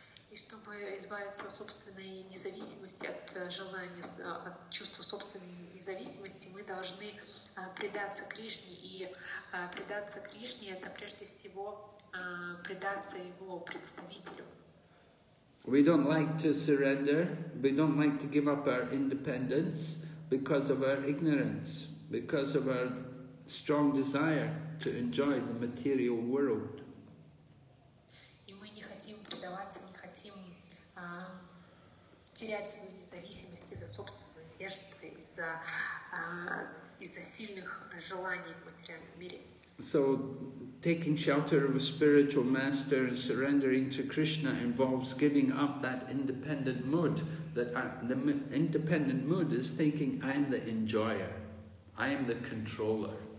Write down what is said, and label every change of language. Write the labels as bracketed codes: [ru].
[ru] И чтобы избавиться от собственной независимости, от желания, от чувства собственной независимости, мы должны предаться Кришне, и предаться Кришне — это прежде всего предаться его представителю. [en] We don't like to surrender, we don't like to give up our independence because of our ignorance, because of our strong desire to enjoy the material world. [ru] И мы не хотим предаваться, не хотим терять свою независимость из-за собственного невежества, из-за сильных желаний в материальном мире. [en] So, taking shelter of a spiritual master and surrendering to Krishna involves giving up that independent mood. The independent mood is thinking, I am the enjoyer, I am the controller.